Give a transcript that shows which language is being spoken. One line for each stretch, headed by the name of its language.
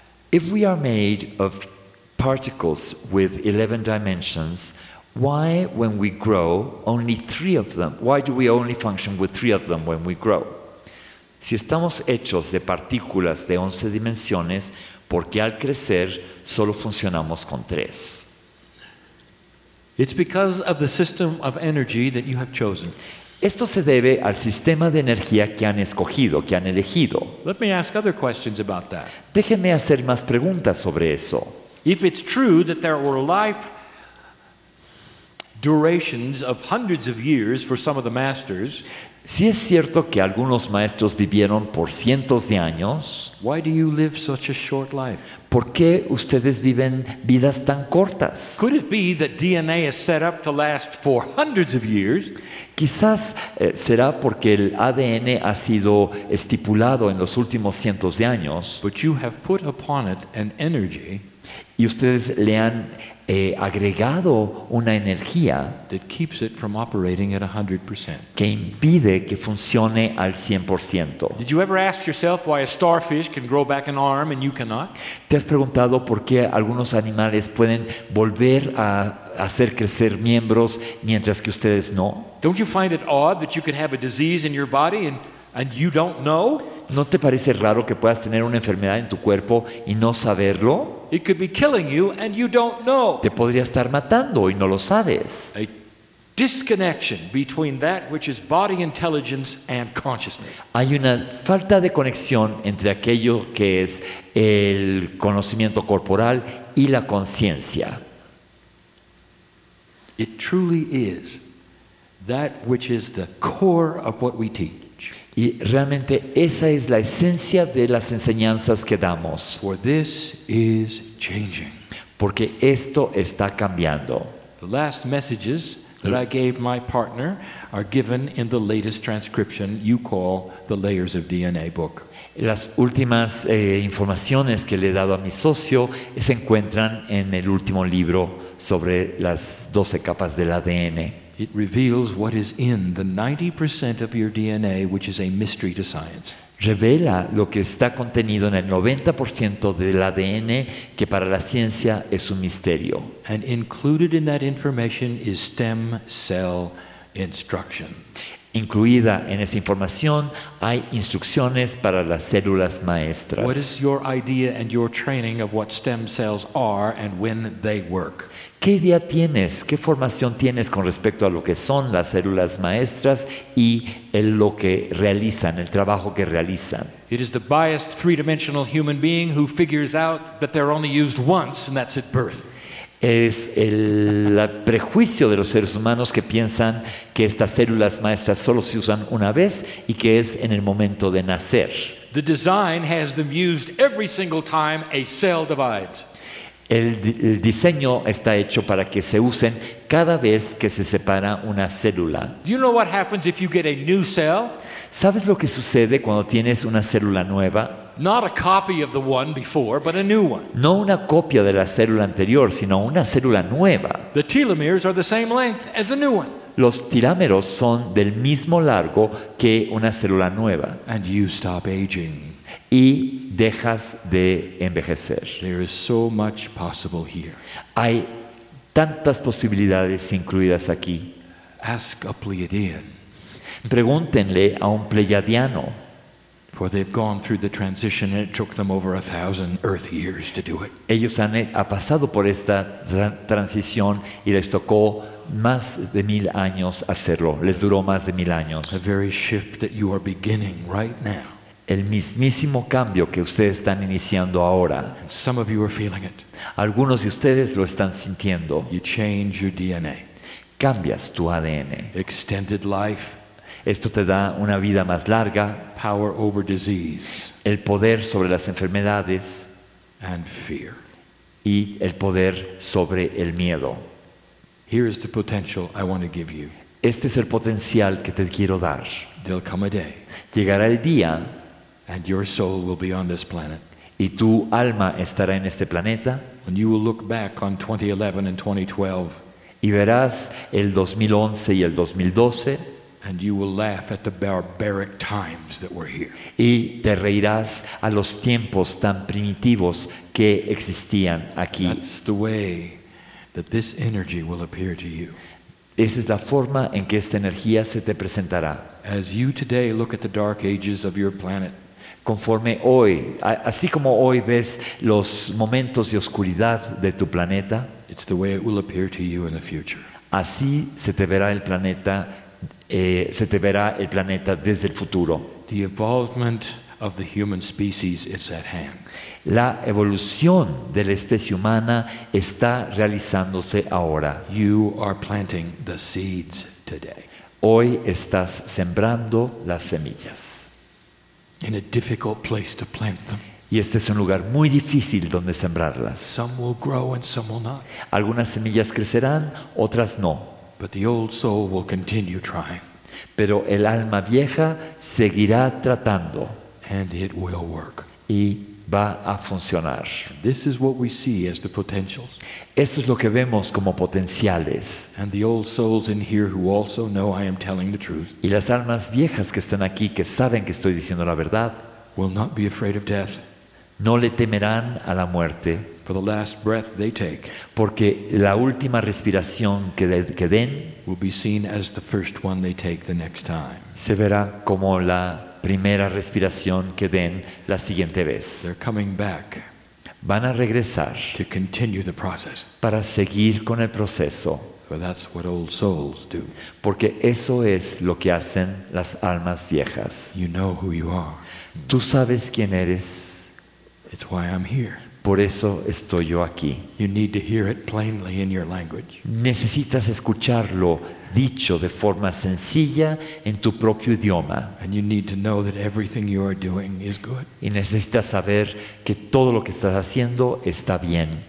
English: If we are made of particles with 11 dimensions, why when we grow only 3 of them? Why do we only function with 3 of them when we grow?
Spanish: Si estamos hechos de partículas de 11 dimensiones, ¿por qué al crecer solo funcionamos con 3?
English: It's because of the system of energy that you have chosen.
Spanish: Esto se debe al sistema de energía que han escogido, que han elegido.
English: Let me ask other questions about that.
Spanish: Déjenme hacer más preguntas sobre eso.
English: If it's true that there were life durations of hundreds of years for some of the masters,
Spanish: si es cierto que algunos maestros vivieron por cientos de años,
English: why do you live such a short life?
Spanish: ¿Por qué ustedes viven vidas tan cortas?
English: Could it be that DNA is set up to last for hundreds of years?
Spanish: Quizás será porque el ADN ha sido estipulado en los últimos cientos de años.
English: But you have put upon it an energy.
Spanish: Y ustedes le han agregado una energía
English: that keeps it from operating at 100%.
Spanish: Que impide que funcione al 100%.
English: Did you ever ask yourself why a starfish can grow back an arm and you cannot?
Spanish: ¿Te has preguntado por qué algunos animales pueden volver a hacer crecer miembros mientras que ustedes no?
English: Don't you find it odd that you could have a disease in your body and you don't know?
Spanish: ¿No te parece raro que puedas tener una enfermedad en tu cuerpo y no saberlo?
English: It could be killing you and you don't know.
Spanish: Te podría estar matando y no lo sabes.
English: A disconnection between that which is body intelligence and consciousness.
Spanish: Hay una falta de conexión entre aquello que es el conocimiento corporal y la conciencia.
English: It truly is that which is the core of what we teach.
Spanish: Y realmente esa es la esencia de las enseñanzas que damos.
English: For this is changing.
Spanish: Porque esto está cambiando.
English: The last messages that I gave my partner are given in the latest transcription you call the Layers of DNA book.
Spanish: Las últimas informaciones que le he dado a mi socio se encuentran en el último libro sobre las 12 capas del ADN.
English: It reveals what is in the 90% of your DNA, which is a mystery to science.
Spanish: Revela lo que está contenido en el 90% del ADN, que para la ciencia es un misterio.
English: And included in that information is stem cell instruction.
Spanish: Incluida en esta información hay instrucciones para las células maestras.
English: What is your idea and your training of what stem cells are and when they work?
Spanish: ¿Qué idea tienes? ¿Qué formación tienes con respecto a lo que son las células maestras y el lo que realizan, el trabajo que realizan?
English: It is the biased three-dimensional human being who figures out that they're only used once and that's at birth.
Spanish: Es el prejuicio de los seres humanos que piensan que estas células maestras solo se usan una vez y que es en el momento de nacer.
English: The design has them used every single time a cell divides.
Spanish: El diseño está hecho para que se usen cada vez que se separa una célula.
English: Do you know what happens if you get a new cell?
Spanish: ¿Sabes lo que sucede cuando tienes una célula nueva?
English: Not a copy of the one before, but a new one.
Spanish: No una copia de la célula anterior, sino una célula nueva.
English: The telomeres are the same length as a new one.
Spanish: Los telómeros son del mismo largo que una célula nueva.
English: And you stop aging.
Spanish: Y dejas de envejecer.
English: There is so much possible here.
Spanish: Hay tantas posibilidades incluidas aquí.
English: Ask a Pleiadian.
Spanish: Pregúntenle a un pleiadiano.
English: For they've gone through the transition and it took them over 1,000 earth years to do it.
Spanish: Ellos han pasado por esta transición y les tocó más de 1,000 años hacerlo. Les duró más de 1,000 años.
English: A very shift that you are beginning right now.
Spanish: El mismísimo cambio que ustedes están iniciando ahora.
English: And some of you are feeling it.
Spanish: Algunos de ustedes lo están sintiendo.
English: You change your DNA.
Spanish: Cambias tu ADN.
English: Extended life.
Spanish: Esto te da una vida más larga.
English: Power over disease.
Spanish: El poder sobre las enfermedades.
English: And fear.
Spanish: Y el poder sobre el miedo.
English: Here is the potential I want to give you.
Spanish: Este es el potencial que te quiero dar.
English: There'll come a day.
Spanish: Llegará el día.
English: And your soul will be on this planet.
Spanish: Y tu alma estará en este planeta.
English: And you will look back on 2011 and 2012.
Spanish: Y verás el 2011 y el 2012.
English: And you will laugh at the barbaric times that were here.
Spanish: Y te reirás a los tiempos tan primitivos que existían aquí.
English: That's the way that this energy will appear to you.
Spanish: Esa es la forma en que esta energía se te presentará.
English: As you today look at the dark ages of your planet.
Spanish: Conforme hoy, así como hoy ves los momentos de oscuridad de tu planeta,
English: it's the way it will appear to you in the future.
Spanish: Así se te verá el planeta. Se te verá el planeta desde el futuro.
English: The evolvement of the human species is at hand.
Spanish: La evolución de la especie humana está realizándose ahora.
English: You are planting the seeds today.
Spanish: Hoy estás sembrando las semillas.
English: In a difficult place to plant them.
Spanish: Y este es un lugar muy difícil donde sembrarlas.
English: Some will grow and some will not.
Spanish: Algunas semillas crecerán, otras no.
English: But the old soul will continue trying.
Spanish: Pero el alma vieja seguirá tratando.
English: And it will work.
Spanish: Y va a funcionar.
English: This is what we see as the potentials.
Spanish: Esto es lo que vemos como potenciales.
English: And the old souls in here who also know I am telling the truth.
Spanish: Y las almas viejas que están aquí que saben que estoy diciendo la verdad.
English: Will not be afraid of death.
Spanish: No le temerán a la muerte.
English: For the last breath they take,
Spanish: porque la última respiración que den,
English: will be seen as the first one they take the next time.
Spanish: Se verá como la primera respiración que den la siguiente vez.
English: They're coming back.
Spanish: Van a regresar.
English: To continue the process.
Spanish: Para seguir con el proceso.
English: For that's what old souls do.
Spanish: Porque eso es lo que hacen las almas viejas.
English: You know who you are.
Spanish: Tú sabes quién eres.
English: It's why I'm here.
Spanish: Por eso estoy yo aquí.
English: You need to hear it plainly in your language.
Spanish: Necesitas escucharlo dicho de forma sencilla en tu propio idioma.
English: And you need to know that everything you are doing is good.
Spanish: Y necesitas saber que todo lo que estás haciendo está bien.